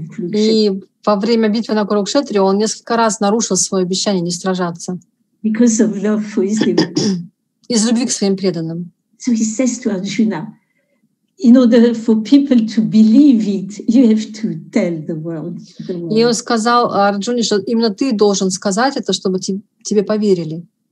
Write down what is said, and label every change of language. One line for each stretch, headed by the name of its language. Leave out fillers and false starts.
Russian: И во время битвы на Курукшетре он несколько раз нарушил свое обещание не сражаться.
English: Because of love for his
Russian: из любви к своим преданным.
English: So he says to Arjuna, in order for people to believe it, you have to tell the world.
Russian: И он сказал Арджуне, что именно ты должен сказать это, чтобы тебе поверили.